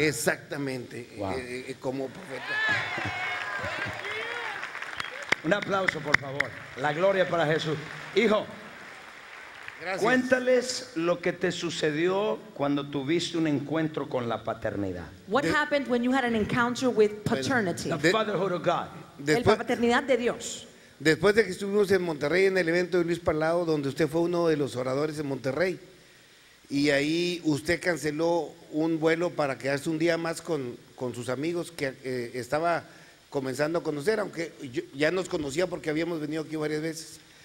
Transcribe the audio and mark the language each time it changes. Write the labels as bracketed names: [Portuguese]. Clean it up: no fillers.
[Spanish] Exactamente. Wow. Como profeta. Un aplauso, por favor. La gloria para Jesús. Hijo, gracias. Cuéntales lo que te sucedió cuando tuviste un encuentro con la paternidad. [English] What happened when you had an encounter with paternity? The fatherhood of God. [Spanish] Después, la paternidad de Dios. Después de que estuvimos en Monterrey en el evento de Luis Palau, donde usted fue uno de los oradores en Monterrey, y ahí usted canceló un vuelo para quedarse un día más con sus amigos que estaba comenzando a conocer, aunque yo, ya nos conocía porque habíamos venido aquí varias veces.